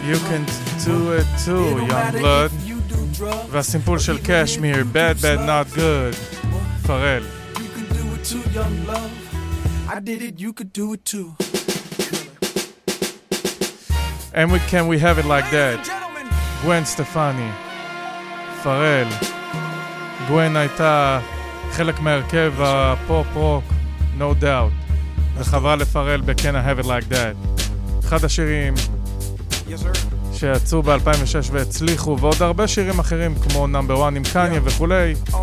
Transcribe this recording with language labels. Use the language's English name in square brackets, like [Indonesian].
[English] You can do it too, young blood. [Hebrew] והסימפול של קשמיר, [English] bad, bad, not good. [Hebrew] פארל. [English] You can do it too, young love. I did it, you could do it too. And we can we have it like that? [Hebrew] Gwen Stefani. פארל. Gwen הייתה חלק מהרכב הפופ-רוק, no doubt. וחברה לפארל ב-can I have it like that? אחד השירים. [English] Yes, sir. [Hebrew] שיצאו ב-2006 והצליחו, ועוד הרבה שירים אחרים כמו נאמבר 1 עם קניה וכולי.